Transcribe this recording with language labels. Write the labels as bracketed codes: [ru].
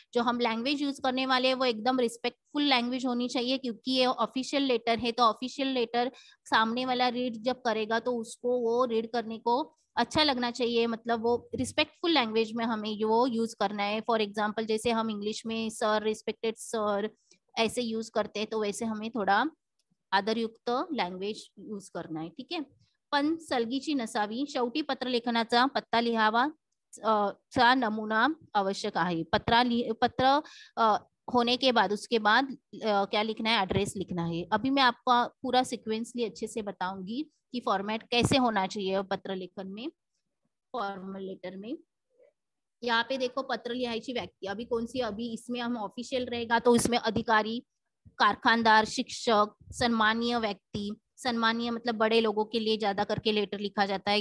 [hi] जो हम language use करने वाले हैं वो एकदम रिस्पेक्टफुल लैंग्वेज होनी चाहिए, क्योंकि ये ऑफिशियल लेटर है, तो ऑफिशियल लेटर सामने वाला रीड जब करेगा तो उसको वो रीड करने को अच्छा लगना चाहिए, मतलब वो रिस्पेक्टफुल लैंग्वेज में हमें वो यूज करना है। फॉर एग्जाम्पल जैसे हम इंग्लिश में सर, रिस्पेक्टेड सर ऐसे यूज करते हैं, तो वैसे हमें थोड़ा आदरयुक्त लैंग्वेज यूज करना है। ठीक है, [mr] पण सलगीची नसावी, शेवटी पत्र लेखनाचा पत्ता लिहावा चा नमुना आवश्यक आहे। [hi] पत्र होने के बाद उसके बाद क्या लिखना है, एड्रेस लिखना है। अभी मैं आपको पूरा सिक्वेंसली अच्छे से बताऊंगी कि फॉर्मेट कैसे होना चाहिए पत्र लेखन में, फॉर्मल लेटर में। यहाँ पे देखो [mr] पत्र लिहायची व्यक्ति, [hi] अभी कौन सी, अभी इसमें हम ऑफिशियल रहेगा तो इसमें अधिकारी, कारखानदार, शिक्षक, सम्माननीय व्यक्ति, सम्माननीय मतलब बड़े लोगों के लिए ज्यादा करके लेटर लिखा जाता है।